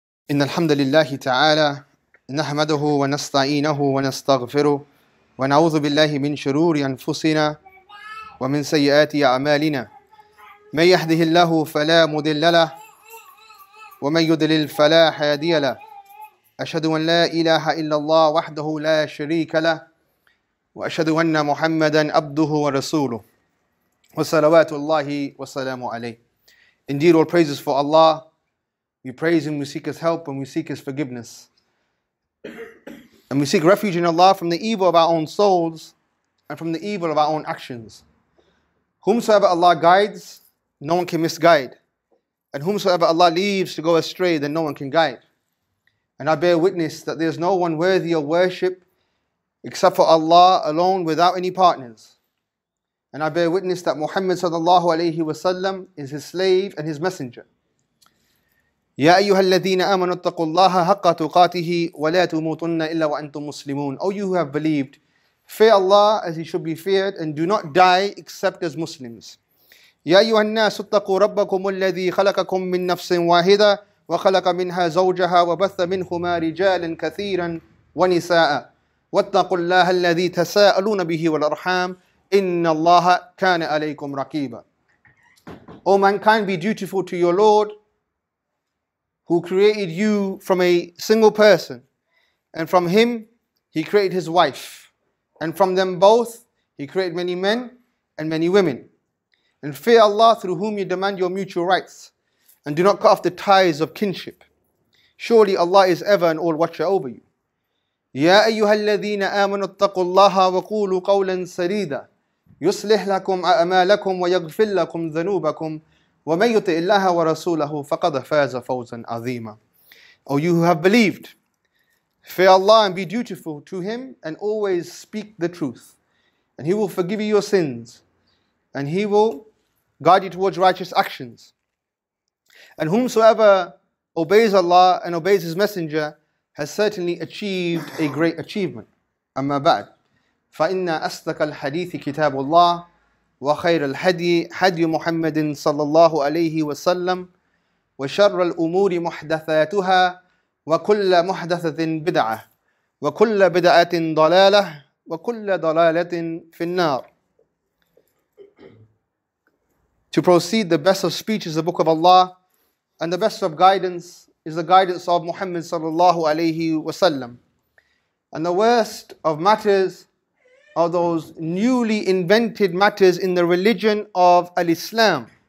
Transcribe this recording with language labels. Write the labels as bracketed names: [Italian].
[Arabic] إن الحمد لله تعالى نحمده ونستعينه ونستغفره ونعوذ بالله من شرور أنفسنا ومن سيئات أعمالنا من يهده الله فلا مضل له ومن يضلل فلا هادي له أشهد أن لا إله إلا الله وحده لا شريك له وأشهد أن محمدا عبده ورسوله وصلوات الله وسلامه عليه. [English] Indeed, all praises for Allah. We praise Him, we seek His help, and we seek His forgiveness. And we seek refuge in Allah from the evil of our own souls and from the evil of our own actions. Whomsoever Allah guides, no one can misguide. And whomsoever Allah leaves to go astray, then no one can guide. And I bear witness that there is no one worthy of worship except for Allah alone without any partners. And I bear witness that Muhammad sallallahu alayhi wa sallam is His slave and His messenger. [Arabic] يا أيها الذين آمنوا اتقوا الله حق تقاته ولا تموتن إلا وأنتم مسلمون. [English] O you who have believed, fear Allah as He should be feared, and do not die except as Muslims. [Arabic] يا أيها الناس اتقوا ربكم الذي خلقكم من نفس واحدة وخلق منها زوجها وبث منهما رجالا كثيرا ونساء. واتقوا الله الذي تساءلون به والأرحام إن الله كان عليكم رقيبا. [English] O mankind, be dutiful to your Lord, who created you from a single person, and from him he created his wife, and from them both he created many men and many women. And fear Allah, through whom you demand your mutual rights, and do not cut off the ties of kinship. Surely Allah is ever and all watcher over you. [Arabic] Ya ayyuha alladhina amanu attaqullaha wa qulu qawlan sadida yuslih lakum a'malakum wa yaghfir lakum dhunubakum. وَمَنْ يُطِئِ اللَّهَ وَرَسُولَهُ فَقَدْ فَازَ فَوْزًا عَظِيمًا. [English] O you who have believed, fear Allah and be dutiful to Him, and always speak the truth. And He will forgive you your sins, and He will guide you towards righteous actions. And whomsoever obeys Allah and obeys His Messenger has certainly achieved a great achievement. [Arabic] أما بعد فَإِنَّ أَصْدَقَ الْحَدِيثِ كِتَابُ اللَّهِ وخير الهدي هدي محمد صلى الله عليه وسلم وشر الأمور محدثاتها وكل محدثة بدعة وكل بدعة ضلالة وكل ضلالة في النار. [English] To proceed, the best of speech is the book of Allah, and the best of guidance is the guidance of Muhammad صلى الله عليه وسلم, and the worst of matters are those newly invented matters in the religion of Al-Islam.